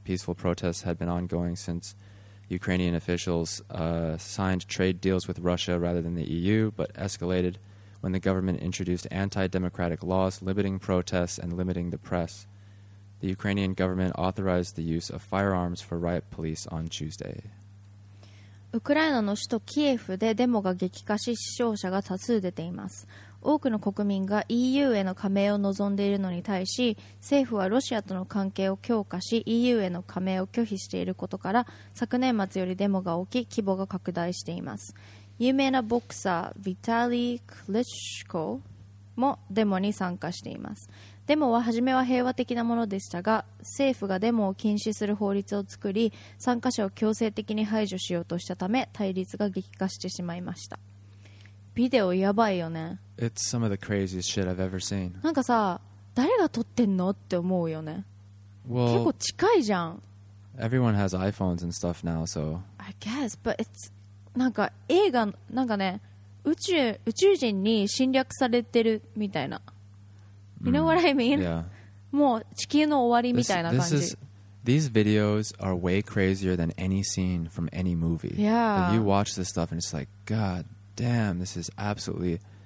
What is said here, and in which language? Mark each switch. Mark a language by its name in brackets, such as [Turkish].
[English] Peaceful protests had been ongoing since Ukrainian officials signed trade deals with Russia rather than the EU, but escalated when the government introduced anti-democratic laws limiting protests and limiting the press. The Ukrainian government authorized the use of firearms for riot police on Tuesday. [Japanese] ウクライナの首都キエフでデモが激化し、死傷者が多数出ています。多くの国民が EU への加盟を望んでいるのに対し、政府はロシアとの関係を強化し、EU への加盟を拒否していることから、昨年末よりデモが起き、規模が拡大しています。有名なボクサー、ヴィタリー・クリチコもデモに参加しています。デモは初めは平和的なものでしたが、政府がデモを禁止する法律を作り、参加者を強制的に排除しようとしたため、対立が激化してしまいました。ビデオやばいよね。 [English] It's some of the craziest shit I've ever seen. [Japanese] なんかさ、誰が撮ってんのって思うよね。 [English] Well, [Japanese] 結構近いじゃん。 [English] Everyone has iPhones and stuff now, so... I guess, but it's... [Japanese] なんか映画、なんかね、宇宙人に侵略されてるみたいな。 [English] You know what I mean? Yeah. [Japanese] もう地球の終わりみたいな感じ。 [English] These videos are way crazier than any scene from any movie. Yeah. But you watch this stuff and it's like, God damn, this is absolutely...